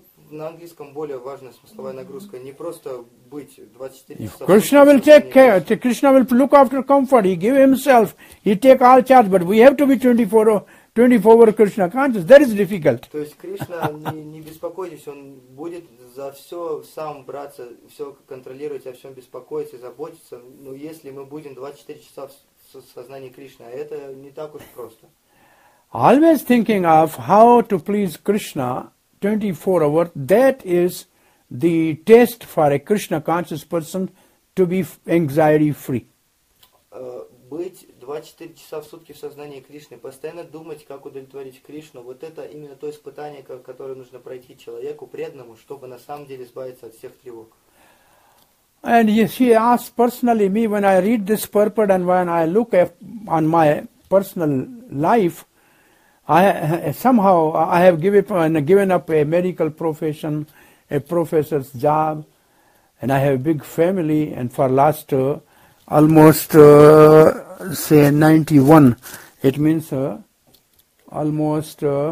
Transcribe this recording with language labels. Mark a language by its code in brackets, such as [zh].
[ru] На английском более важная смысловая нагрузка. Не просто быть 24 часа в сутки. [en] Krishna will take care. Krishna will look after comfort. He give himself. He take all charge. But we have to be 24 hours Krishna conscious. That is difficult. [ru] То есть Кришна, не беспокойтесь, он будет за все сам браться, все контролировать, о всем беспокоиться, заботиться. Но если мы будем 24 часа в сознании Кришны, это не так уж просто. [en] Always thinking of how to please Krishna 24 hours, that is the test for a Krishna conscious person to be anxiety free. [ru] Быть 24 часа в сутки в сознании Кришны, постоянно думать, как удовлетворить Кришну, вот это именно то испытание, которое нужно пройти человеку преданному, чтобы на самом деле избавиться от всех тревог. [en] And he asked personally me, when I read this purport and when I look on my personal life, I have given up a medical profession, a professor's job, and I have a big family, and for last almost, say, 91. It means almost